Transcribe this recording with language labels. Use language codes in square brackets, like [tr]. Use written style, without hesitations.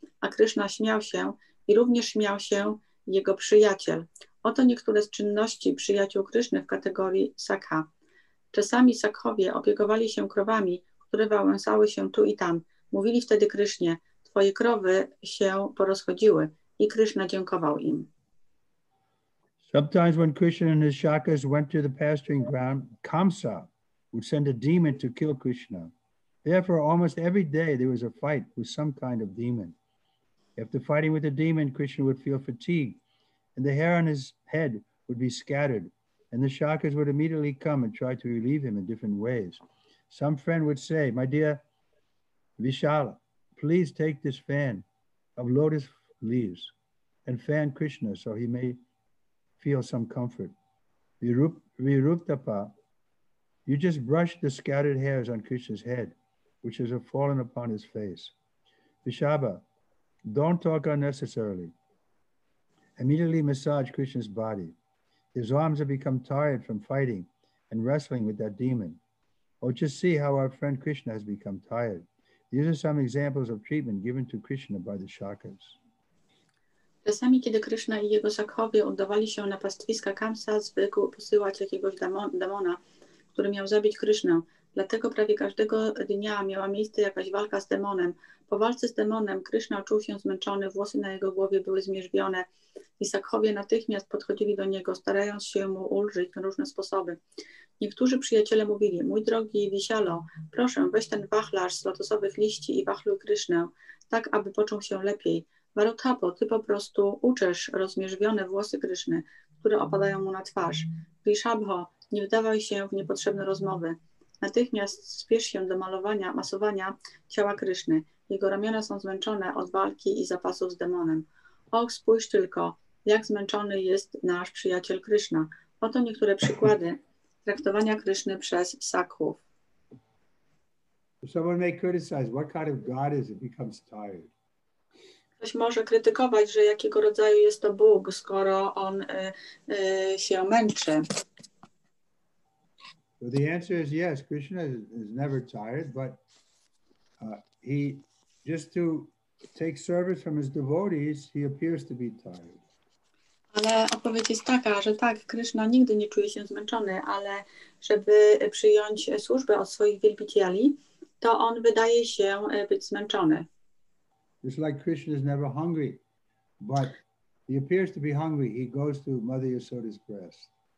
[pl] A Kryszna śmiał się i również śmiał się jego przyjaciel. Oto niektóre z czynności przyjaciół Kryszny w kategorii sakha. Czasami sakhowie opiekowali się krowami, które wałęsały się tu i tam. Mówili wtedy Krysznie: "Twoje krowy się porozchodziły." I Krishna dziękował im. [en] Sometimes when Krishna and his shakas went to the pasturing ground, Kamsa would send a demon to kill Krishna. Therefore, almost every day there was a fight with some kind of demon. After fighting with the demon, Krishna would feel fatigued, and the hair on his head would be scattered, and the shakas would immediately come and try to relieve him in different ways. Some friend would say, "My dear Vishala, please take this fan of lotus leaves and fan Krishna so he may feel some comfort. Viruptapa, you just brush the scattered hairs on Krishna's head, which has fallen upon his face. Vishabha, don't talk unnecessarily. Immediately massage Krishna's body. His arms have become tired from fighting and wrestling with that demon. Oh, just see how our friend Krishna has become tired." These are some examples of treatment given to Krishna by the shakas. [pl] Czasami, kiedy Kryszna i jego sakhowie udawali się na pastwiska, Kamsa zwykł posyłać jakiegoś demona, który miał zabić Krysznę. Dlatego prawie każdego dnia miała miejsce jakaś walka z demonem. Po walce z demonem Kryszna czuł się zmęczony, włosy na jego głowie były zmierzwione i sakhowie natychmiast podchodzili do niego, starając się mu ulżyć na różne sposoby. Niektórzy przyjaciele mówili: "Mój drogi Wisialo, proszę, weź ten wachlarz z lotosowych liści i wachluj Krysznę, tak aby poczuł się lepiej. Varutapo, ty po prostu uczesz rozmierzwione włosy Kryszny, które opadają mu na twarz. Vishabho, nie wdawaj się w niepotrzebne rozmowy. Natychmiast spiesz się do malowania, masowania ciała Kryszny. Jego ramiona są zmęczone od walki i zapasów z demonem. Och, spójrz tylko, jak zmęczony jest nasz przyjaciel Kryszna." Oto niektóre przykłady traktowania Kryszny przez sakhów. [en] Someone may criticize, what kind of god is it becomes tired? [pl] Ktoś może krytykować, że jakiego rodzaju jest to Bóg, skoro on się męczy. [en] So the answer is yes, Krishna is never tired, but he just to take service from his devotees, he appears to be tired. [pl] Ale odpowiedź jest taka, że tak, Krishna nigdy nie czuje się zmęczony, ale żeby przyjąć służbę od swoich wielbicieli, to on wydaje się być zmęczony. [en] It's like Krishna is never hungry, but he appears to be hungry. He goes to Mother Yasoda's breast.